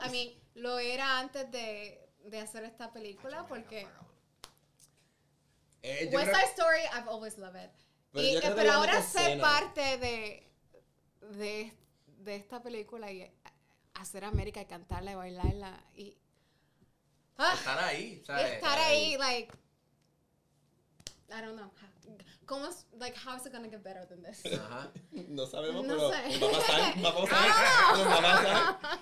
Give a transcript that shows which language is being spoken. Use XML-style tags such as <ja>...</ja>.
<es>A mí, lo era antes de hacer esta película, porque.</es> <en>West Side Story, I've always loved it.</en> <es>Pero ahora sé parte de esta película y. Hacer América y cantarla y bailarla y estar ahí, ¿sabes?</es> <en>I don't know. How is it gonna get better than this?</en> <es>No sabemos, pero va a pasar.</es>